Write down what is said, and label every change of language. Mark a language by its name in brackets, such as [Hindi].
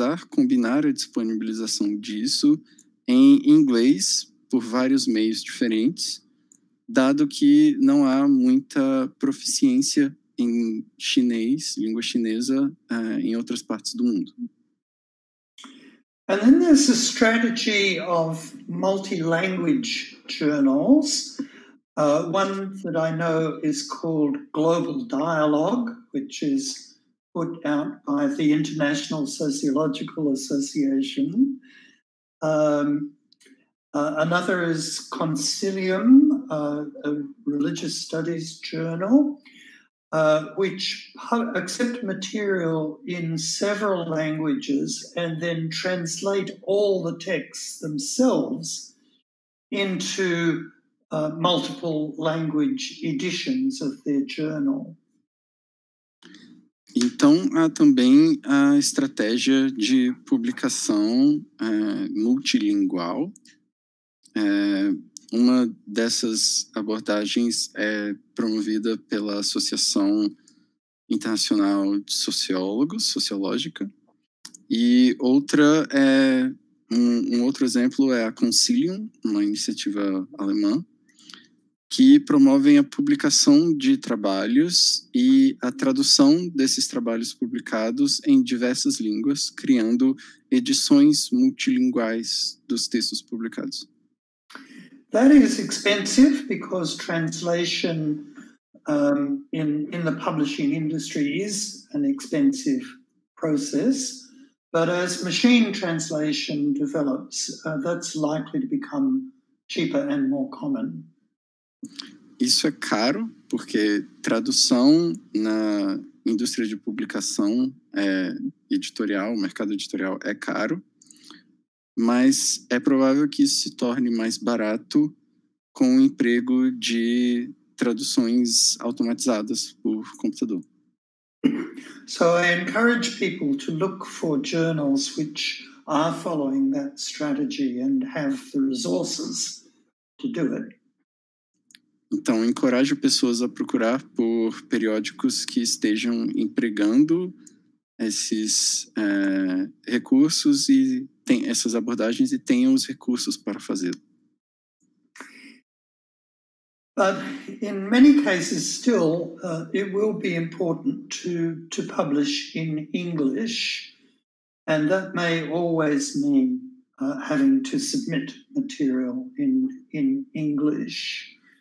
[Portuguese] combinar a disponibilização disso em inglês por vários meios diferentes, dado que não há muita proficiência em chinês, língua chinesa, em outras partes do mundo. [English] And then there's a strategy of multi-language journals. One that I know is called Global Dialogue, which is put out by the International Sociological Association. Another is Concilium, a religious studies journal, which accept material in several languages and then translate all the texts themselves into multiple language editions of their journal. [Portuguese] Então, há também a estratégia de publicação multilingual. Uma dessas abordagens é promovida pela Associação Internacional de Sociólogos, Sociológica, e outra é, um outro exemplo é a Concilium, uma iniciativa alemã, que promovem a publicação de trabalhos e a tradução desses trabalhos publicados em diversas línguas, criando edições multilinguais dos textos publicados. [English] That is expensive because translation in the publishing industry is an expensive process. But as machine translation develops, that's likely to become cheaper and more common. [Portuguese] Isso é caro porque tradução na indústria de publicação editorial, o mercado editorial é caro. Mas é provável que isso se torne mais barato com o emprego de traduções automatizadas por computador. [English] So I encourage people to look for journals which are following that strategy and have the resources to do it. [Portuguese] Então, encorajo pessoas a procurar por periódicos que estejam empregando esses recursos e tem essas abordagens e tenham os recursos para fazê-lo. [English] But in many cases still, it will be important to publish in English, and that may always mean having to submit material in English.